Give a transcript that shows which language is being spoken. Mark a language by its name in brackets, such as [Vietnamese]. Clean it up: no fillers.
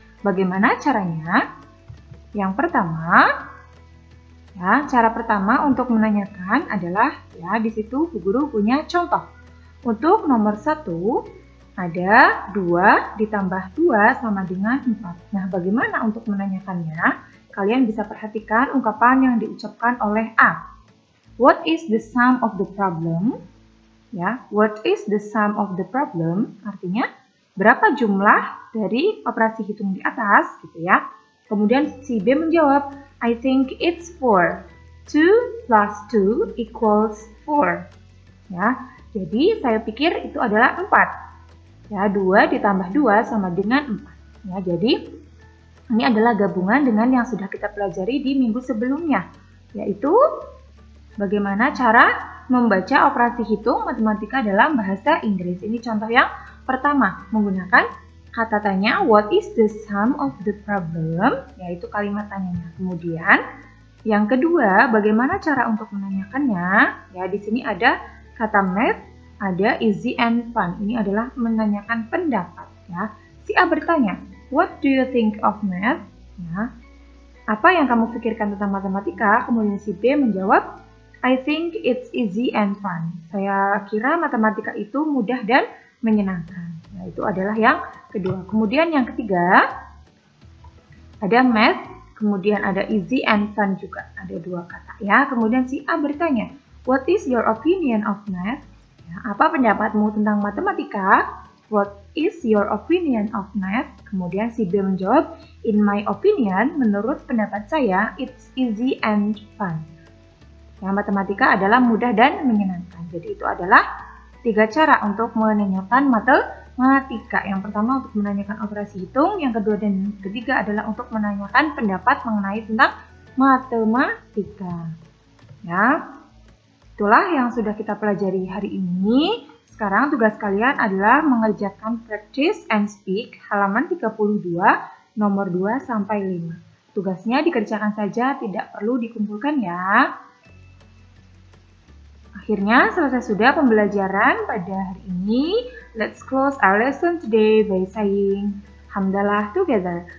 [Indonesian] Bagaimana caranya? Yang pertama, ya, cara pertama untuk menanyakan adalah, ya, di situ Bu Guru punya contoh. Untuk nomor 1, ada 2 ditambah 2 sama dengan 4. Nah, bagaimana untuk menanyakannya? Kalian bisa perhatikan ungkapan yang diucapkan oleh A. [English] What is the sum of the problem? Ya, what is the sum of the problem? [Indonesian] Artinya, berapa jumlah dari operasi hitung di atas, gitu ya. Kemudian si B menjawab, [English] I think it's 4. 2 plus 2 equals 4. [Indonesian] Ya, jadi saya pikir itu adalah 4. Ya, 2 ditambah 2 sama dengan 4. Ya, jadi ini adalah gabungan dengan yang sudah kita pelajari di minggu sebelumnya. Yaitu bagaimana cara membaca operasi hitung matematika dalam bahasa Inggris. Ini contoh yang pertama menggunakan kata tanya, [English] what is the sum of the problem? [Indonesian] Yaitu kalimat tanyanya. Kemudian, yang kedua, bagaimana cara untuk menanyakannya? Ya, di sini ada kata math, ada easy and fun. Ini adalah menanyakan pendapat. Ya. Si A bertanya, [English] what do you think of math? [Indonesian] Ya, apa yang kamu pikirkan tentang matematika? Kemudian si B menjawab, [English] I think it's easy and fun. [Indonesian] Saya kira matematika itu mudah dan menyenangkan. Nah, itu adalah yang kedua. Kemudian yang ketiga, ada math, kemudian ada easy and fun juga. Ada dua kata ya. Kemudian si A bertanya, [English] what is your opinion of math? [Indonesian] Ya, apa pendapatmu tentang matematika? [English] What is your opinion of math? [Indonesian] Kemudian si B menjawab, [English] in my opinion, [Indonesian] menurut pendapat saya, [English] it's easy and fun. [Indonesian] Ya, matematika adalah mudah dan menyenangkan. Jadi itu adalah tiga cara untuk menanyakan matematika. Yang pertama untuk menanyakan operasi hitung, yang kedua dan ketiga adalah untuk menanyakan pendapat mengenai tentang matematika. Ya, itulah yang sudah kita pelajari hari ini. Sekarang tugas kalian adalah mengerjakan practice and speak halaman 32, nomor 2 sampai 5. Tugasnya dikerjakan saja, tidak perlu dikumpulkan ya. Akhirnya selesai sudah pembelajaran pada hari ini. [English] Let's close our lesson today by saying hamdalah together.